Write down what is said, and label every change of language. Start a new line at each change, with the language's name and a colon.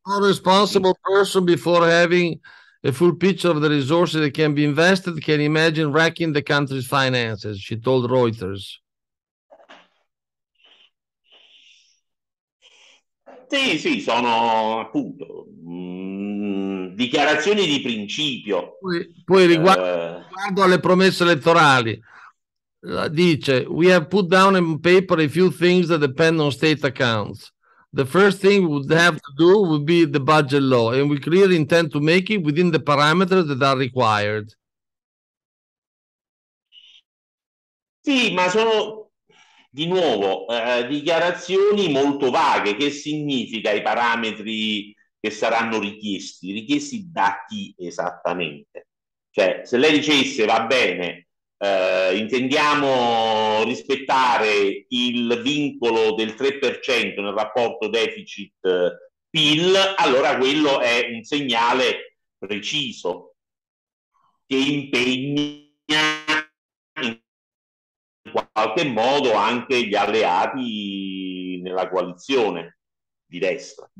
English: A responsible person before having a full picture of the resources that can be invested can imagine wrecking the country's finances, she told Reuters.
Italian: Sì, sono appunto dichiarazioni di principio. Poi riguardo alle promesse elettorali, dice:
English: we have put down on paper a few things that depend on state accounts. The first thing we would have to do would be the budget law, and we clearly intend to make it within the parameters that are required.
Italian: Sì, ma sono di nuovo dichiarazioni molto vaghe. Che significa i parametri che saranno richiesti? Richiesti da chi esattamente? Cioè, se lei dicesse va bene, intendiamo rispettare il vincolo del 3% nel rapporto deficit-PIL, allora quello è un segnale preciso che impegna in qualche modo anche gli alleati nella coalizione di destra.